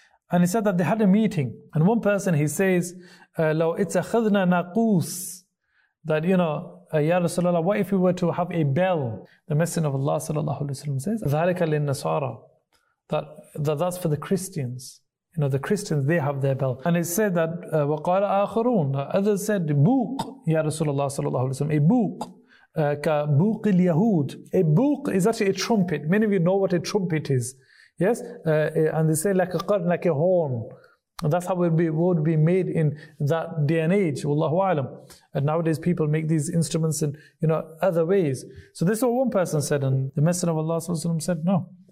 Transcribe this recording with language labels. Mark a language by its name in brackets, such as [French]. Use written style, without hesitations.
[English] And he said that they had a meeting. And one person, he says, [Arabic] لو اتخذنا ناقوس, [English] that, you know, Ya Rasulallah, what if we were to have a bell? The Messenger of Allah sallallahu alayhi wa sallam says, [Arabic] ذَلَكَ لِلنَّصَارَى, [English] that's for the Christians. You know, the Christians, they have their bell. And it said that, [Arabic] وَقَالَ آخَرُونَ, [English] others said, [Arabic] بُوق, يَا رَسُولَ اللَّهِ صَلَى اللَّهُ عَلَيْهِ وَسَلَّمَ, a بُوق, كَبُوقِ الْيَهُودِ. [English] A بُوق is actually a trumpet. Many of you know what a trumpet is. Yes? And they say, like a horn, That's how it would be made in that day and age. Wallahu alam. And nowadays people make these instruments in, you know, other ways. So this is what one person said, and the Messenger of Allah Sallallahu Alaihi Wasallam said, no.